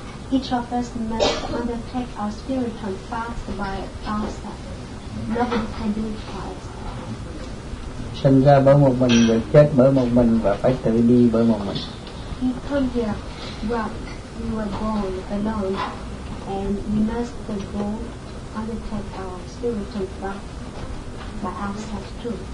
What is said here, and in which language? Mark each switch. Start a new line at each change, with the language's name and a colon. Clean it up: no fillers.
English: Each of us must undertake our spiritual path by ourselves. Nobody can do it by us.
Vietnamese: Sinh ra bởi một mình, rồi chết bởi một mình, và phải tự đi bởi một mình.
English: He told you, well, you were born alone, and we must go undertake our spiritual path by ourselves too.